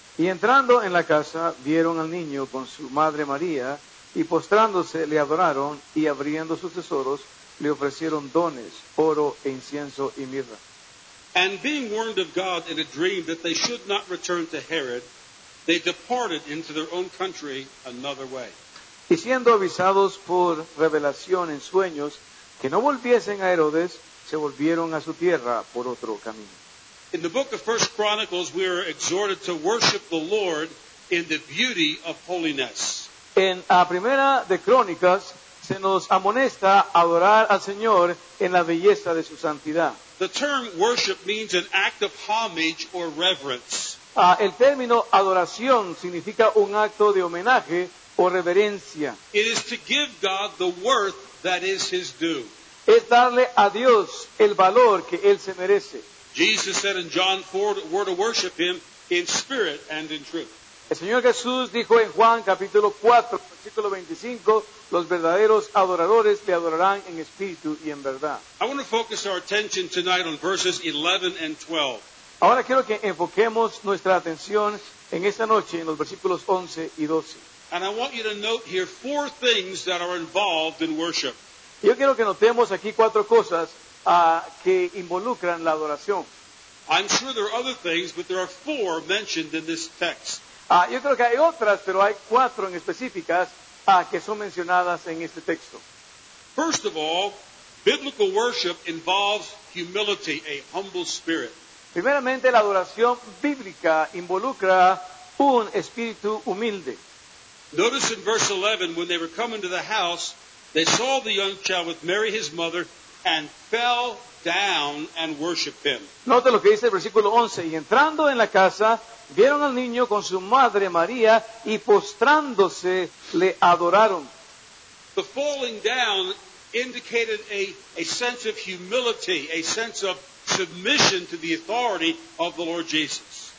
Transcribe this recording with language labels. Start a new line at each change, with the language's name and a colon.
Spanish: Y entrando en la casa, vieron al niño con su madre María, y postrándose le adoraron, y abriendo sus tesoros, le ofrecieron dones, oro, e incienso y mirra.
English: And being warned of God in a dream that they should not return to Herod, they departed into their own country another way.
Spanish: Y siendo avisados por revelación en sueños que no volviesen a Herodes, se volvieron a su tierra por otro camino.
English: In the book of 1 Chronicles, we are exhorted to worship the Lord in the beauty of holiness.
Spanish: En la primera de Crónicas, se nos amonesta a adorar al Señor en la belleza de su santidad.
English: The term worship means an act of homage or reverence.
Spanish: El término adoración significa un acto de homenaje o reverencia.
English: It is to give God the worth that is his due.
Spanish: Es darle a Dios el valor que él se merece.
English: Jesus said in John 4 that we're to worship him in spirit and in truth.
Spanish: El Señor Jesús dijo en Juan capítulo 4, versículo 25, los verdaderos adoradores le adorarán en espíritu y en verdad.
English: I want to focus our attention tonight on verses 11 and 12.
Spanish: Ahora quiero que enfoquemos nuestra atención en esta noche en los versículos 11 y 12.
English: And I want you to note here four things that are involved in worship.
Spanish: Yo quiero que notemos aquí cuatro cosas que involucran la adoración.
English: I'm sure there are other things, but there are four mentioned in this text.
Spanish: Yo creo que hay otras, pero hay cuatro en específicas que son mencionadas en este texto.
English: First of all, biblical worship involves humility, a humble spirit.
Spanish: Primeramente, la adoración bíblica involucra un espíritu humilde.
English: Notice in verse 11, when they were coming to the house, they saw the young child with Mary his mother, and fell down and worshipped him.
Spanish: Note lo que dice el versículo 11. Y entrando en la casa, vieron al niño con su madre María, y postrándose, le adoraron.
English: The falling down indicated a sense of humility, a sense of submission to the authority of the Lord Jesus.